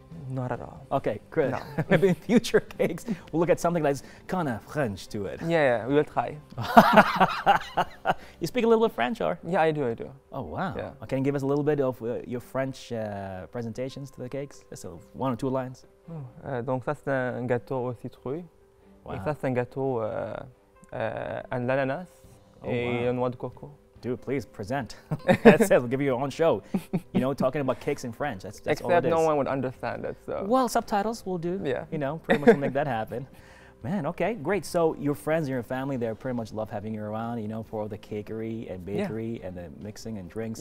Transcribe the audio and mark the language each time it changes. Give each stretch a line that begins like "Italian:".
English: Not at all. Okay, great. No. Maybe in future cakes, we'll look at something that's kind of French to it. Yeah, we will try. You speak a little bit French, or? Yeah, I do. Oh, wow. Yeah. Can you give us a little bit of your French presentations to the cakes? Just one or two lines.
French: Donc, ça, c'est un gâteau au citrouille. Wow. Et ça, c'est un gâteau à l'ananas et noix de coco.
English: Dude, please present. That's it. We'll give you your own show. You know, talking about cakes in French. That's except all it is. No one would understand it. So. Well, subtitles will do. Yeah. You know, pretty much will make that happen. Man, okay, great. So your friends and your family, they pretty much love having you around, you know, for all the cakery and bakery and the mixing and drinks.